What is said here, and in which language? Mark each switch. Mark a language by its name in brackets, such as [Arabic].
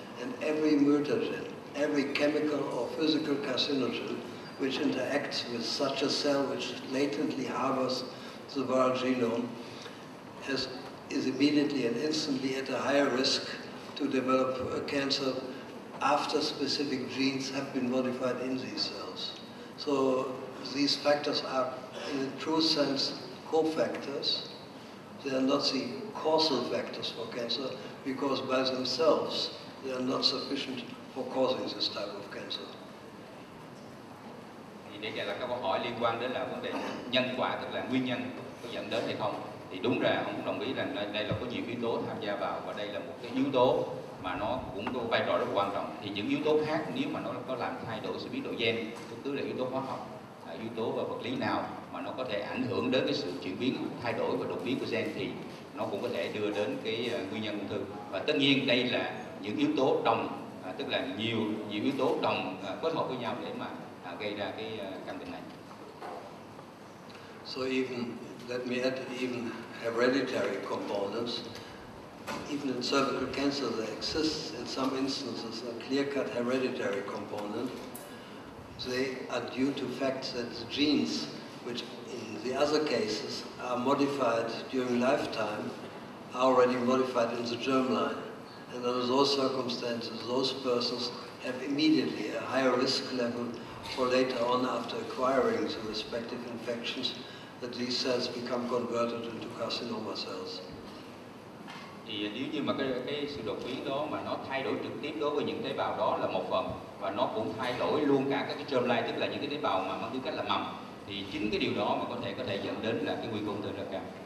[English] And every mutagen, every chemical or physical carcinogen which interacts with such a cell which latently harbors the viral genome is immediately and instantly at a higher risk to develop a cancer after specific genes have been modified in these cells. So these factors are, in a true sense, cofactors. They are not the causal factors for cancer, because by themselves they are not sufficient for causing this type of cancer. [Vietnamese] Thì đây là các câu hỏi liên quan đến là vấn đề nhân quả, tức là nguyên nhân có dẫn đến hay không. Thì đúng ra ông cũng đồng ý rằng đây là có nhiều yếu tố tham gia vào, và đây là một cái yếu tố mà nó cũng có vai trò rất quan trọng. Thì những yếu tố khác nếu mà nó có làm thay đổi sự biến đổi gen, tức là yếu tố hóa học, yếu tố và vật lý nào mà nó có thể ảnh hưởng đến cái sự chuyển biến, thay đổi và đột biến của gen thì nó cũng có thể đưa đến cái nguyên nhân ung thư. Và tất nhiên đây là những yếu tố đồng, tức là nhiều yếu tố đồng kết hợp với nhau để mà gây ra cái căn bệnh này. [English] So even, let me add, even hereditary components, even in cervical cancer there exists in some instances a clear-cut hereditary component. They are due to facts that genes which in the other cases are modified during lifetime, are already modified in the germline. And under those circumstances, those persons have immediately a higher risk level for later on, after acquiring the respective infections, that these cells become converted into carcinoma cells. [Vietnamese] Thì nếu như mà cái sự đột biến đó mà nó thay đổi trực tiếp đối với những tế bào đó là một phần, và nó cũng thay đổi luôn cả các cái germline, tức là những cái tế bào mà mang tính cách là mầm, thì chính cái điều đó mà có thể dẫn đến là cái nguy cơ ung thư rất cao.